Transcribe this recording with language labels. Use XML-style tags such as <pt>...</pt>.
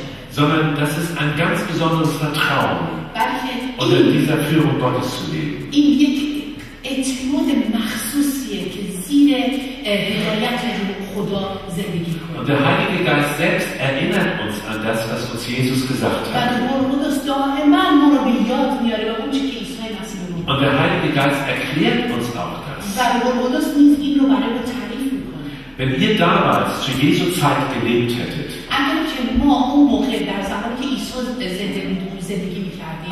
<de>Sondern das ist ein ganz besonderes Vertrauen, unter dieser Führung Gottes zu leben.</de> <fa>اعتماد مخصوصیه که زیر هدایت خدا زندگی کنه.</fa> <de>Und der Heilige Geist selbst erinnert uns an das, was uns Jesus gesagt hat.</de> <fa>و روح القدس دائما ما رو به یاد میاره به اون چیزی که عیسی مسیح به ما گفت.</fa> <de>Und der Heilige Geist erklärt uns auch das.</de> <fa>و روح القدس نیز این رو برای ما تعریف میکنه.</fa> <de>Wenn ihr damals zu Jesu Zeit gelebt hättet.</de> <fa>اگر که ما اون موقع در زمانی که عیسی زندگی میکردیم.</fa>